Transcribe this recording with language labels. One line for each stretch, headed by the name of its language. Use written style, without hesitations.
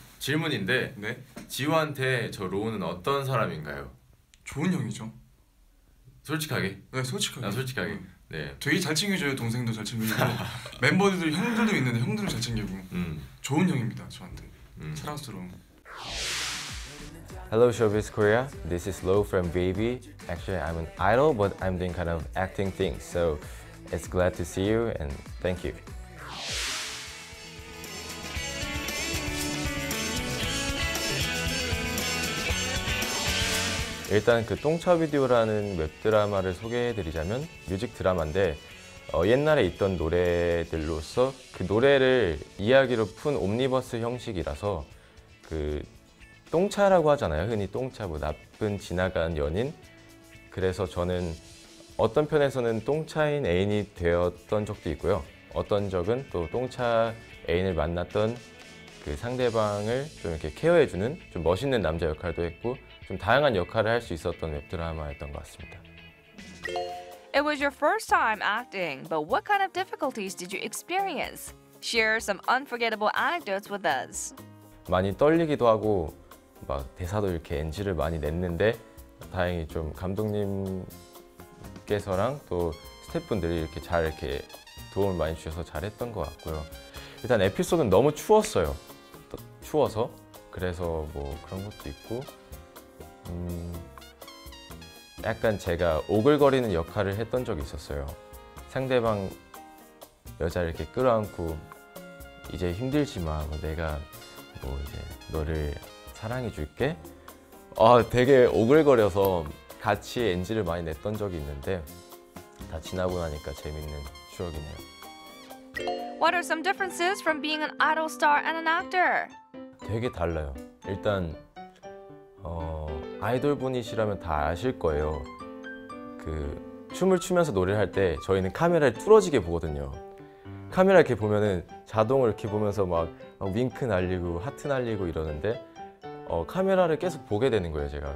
Korean: 질문인데 네? 지우한테 저 로우는 어떤 사람인가요? 좋은 형이죠. 솔직하게? 네, 솔직하게. 아, 솔직하게. 네. 되게 잘 챙겨줘요. 동생도 잘 챙겨주고 멤버들도 형들도 있는데 형들도 잘 챙겨주고 좋은 형입니다, 저한테. 사랑스러운.
English: Hello Showbiz Korea, this is Lo from VAB. Actually, I'm an idol, but I'm doing kind of acting things. So, it's glad to see you and thank you.
Korean: 일단 그 똥차 비디오라는 웹드라마를 소개해드리자면 뮤직 드라마인데 옛날에 있던 노래들로서 그 노래를 이야기로 푼 옴니버스 형식이라서 그 똥차라고 하잖아요. 흔히 똥차, 뭐 나쁜 지나간 연인. 그래서 저는 어떤 편에서는 똥차인 애인이 되었던 적도 있고요. 어떤 적은 또 똥차 애인을 만났던 그 상대방을 좀 이렇게 케어해주는 좀 멋있는 남자 역할도 했고 좀 다양한 역할을 할 수 있었던 웹드라마였던 것 같습니다.
English: It was your first time acting, but what kind of difficulties did you experience? Share some unforgettable anecdotes with us.
Korean: 많이 떨리기도 하고 막 대사도 이렇게 NG를 많이 냈는데 다행히 좀 감독님께서랑 또 스태프분들이 이렇게 잘 이렇게 도움을 많이 주셔서 잘했던 것 같고요. 일단 에피소드는 너무 추웠어요. 추워서 그래서 뭐 그런 것도 있고 약간 제가 오글거리는 역할을 했던 적이 있었어요. 상대방 여자를 이렇게 끌어안고 이제 힘들지만 내가 뭐 이제 너를 사랑해줄게. 아, 되게 오글거려서 같이 NG를 많이 냈던 적이 있는데 다 지나고 나니까 재밌는 추억이네요.
English: What are some differences from being an idol star and an actor?
Korean: 되게 달라요. 일단 아이돌 분이시라면 다 아실 거예요. 그 춤을 추면서 노래를 할 때 저희는 카메라를 뚫어지게 보거든요. 카메라 이렇게 보면은 자동으로 이렇게 보면서 막 윙크 날리고 하트 날리고 이러는데 카메라를 계속 보게 되는 거예요, 제가.